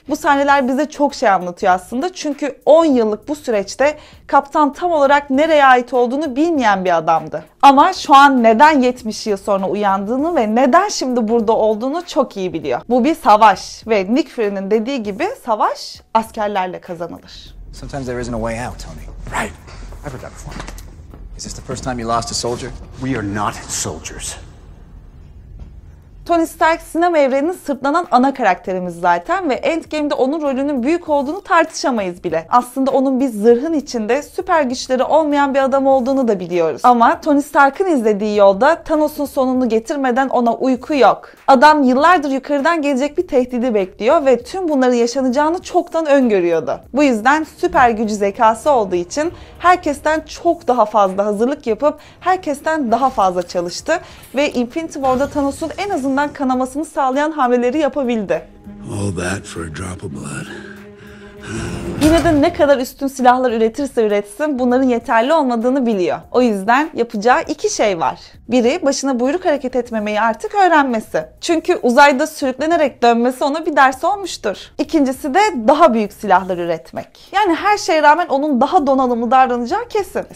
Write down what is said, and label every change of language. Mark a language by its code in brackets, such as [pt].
[tr] Bu sahneler bize çok şey anlatıyor aslında çünkü 10 yıllık bu süreçte kaptan tam olarak nereye ait olduğunu bilmeyen bir adamdı. Ama şu an neden 70 yıl sonra uyandığını ve neden şimdi burada olduğunu çok iyi biliyor. Bu bir savaş ve Nick Fury'nin dediği gibi savaş askerlerle kazanılır. [en] Sometimes there isn't a way out, Tony. Right. I've heard that before. Is this the first time you lost a soldier? We are not soldiers. [tr] Tony Stark sinema evreninin sırtlanan ana karakterimiz zaten ve Endgame'de onun rolünün büyük olduğunu tartışamayız bile. Aslında onun bir zırhın içinde süper güçleri olmayan bir adam olduğunu da biliyoruz. Ama Tony Stark'ın izlediği yolda Thanos'un sonunu getirmeden ona uyku yok. Adam yıllardır yukarıdan gelecek bir tehdidi bekliyor ve tüm bunları yaşanacağını çoktan öngörüyordu. Bu yüzden süper gücü zekası olduğu için herkesten çok daha fazla hazırlık yapıp herkesten daha fazla çalıştı ve Infinity War'da Thanos'un en az kanamasını sağlayan hamleleri yapabildi. [en] All that for a drop of blood. [tr] Yine de ne kadar üstün silahlar üretirse üretsin bunların yeterli olmadığını biliyor. O yüzden yapacağı iki şey var. Biri başına buyruk hareket etmemeyi artık öğrenmesi. Çünkü uzayda sürüklenerek dönmesi ona bir ders olmuştur. İkincisi de daha büyük silahlar üretmek. Yani her şeye rağmen onun daha donanımlı davranacağı kesin.